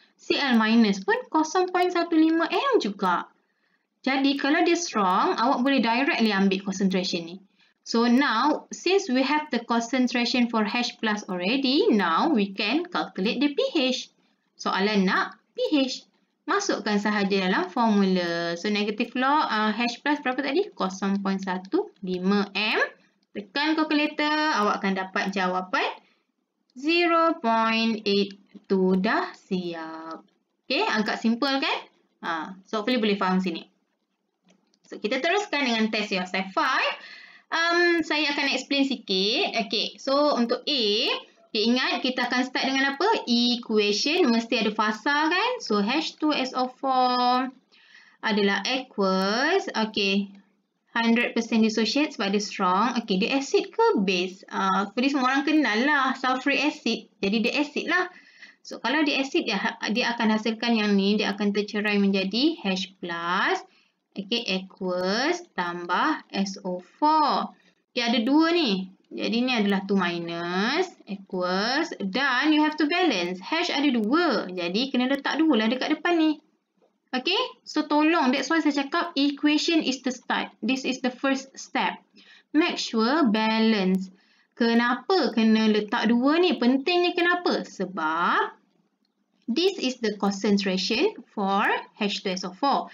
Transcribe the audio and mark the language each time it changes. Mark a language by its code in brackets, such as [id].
[ms] Cl- pun 0.15 m juga. Jadi, kalau dia strong, awak boleh directly ambil concentration ni. [en] So, now, since we have the concentration for H+ already, now we can calculate the pH. [ms] Soalan nak pH. masukkan sahaja dalam formula. [en] So negative log H plus [ms] berapa tadi? [en] 0.15 m. [ms] Tekan kalkulator, awak akan dapat jawapan 0.82. Dah siap. Okay, agak simple kan? [en] So hopefully [ms] boleh faham sini. So kita teruskan dengan test yourself 5. Saya akan explain sikit. Okay, so untuk A, okay, ingat kita akan start dengan apa? Equation mesti ada fasa kan? So H2SO4 adalah aqueous. Okay, 100% dissociate sebab dia strong. Okay, dia acid ke base? Jadi semua orang kenal lah sulfuric acid. Jadi dia acid lah. So kalau dia acid, dia akan hasilkan yang ni. Dia akan tercerai menjadi H+. Okay, aqueous tambah SO4. Dia ada dua ni. Jadi ni adalah 2 minus aqueous. Dan [en] you have to balance. [ms] H ada dua. Jadi kena letak dua lah dekat depan ni. [en] Okay, so tolong, that's why [ms] saya cakap [en] equation is the start. This is the first step. Make sure balance. [ms] Kenapa kena letak dua ni? Pentingnya kenapa? [en] Sebab this is the concentration for H2SO4.